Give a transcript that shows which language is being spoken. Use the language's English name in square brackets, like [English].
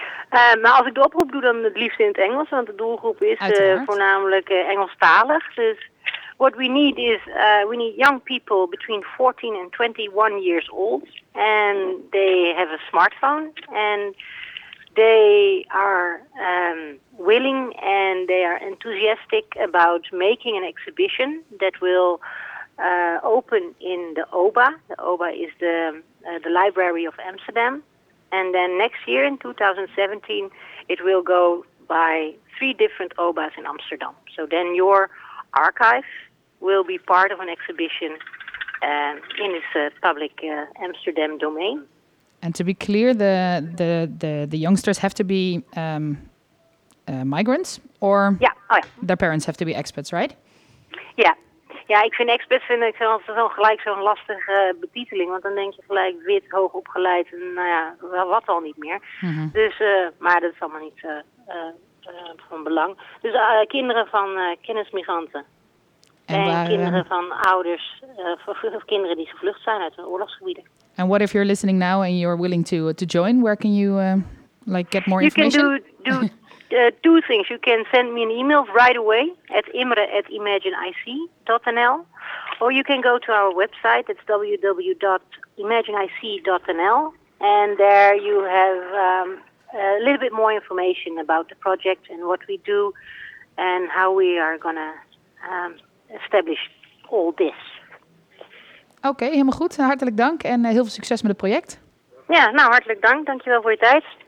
[Dutch] Nou, als ik de oproep doe, dan het liefst in het Engels. Want de doelgroep is voornamelijk Engelstalig. [English] Dus what we need is, we need young people between 14 and 21 years old. And they have a smartphone. And they are willing and they are enthusiastic about making an exhibition that will open in the OBA. The OBA is the Library of Amsterdam. And then next year, in 2017, it will go by three different OBAs in Amsterdam. So then your archive will be part of an exhibition in this public Amsterdam domain. And to be clear, the youngsters have to be migrants, or their parents have to be expats, right? [Dutch] Ja, ik vind expats gelijk zo'n lastige betiteling, want dan denk je gelijk wit, hoog opgeleid, wat al niet meer. Mm-hmm. Dus, maar dat is allemaal niet van belang. Dus kinderen van kennismigranten of kinderen die gevlucht zijn uit de oorlogsgebieden. [English] And what if you're listening now and you're willing to join? Where can you get more information? You can do two things. You can send me an email right away at imre@imagineic.nl. Or you can go to our website. It's www.imagineic.nl. And there you have a little bit more information about the project and what we do and how we are going to establish all this. [Dutch] Oké, helemaal goed. Hartelijk dank en heel veel succes met het project. Ja, nou hartelijk dank. Dankjewel voor je tijd.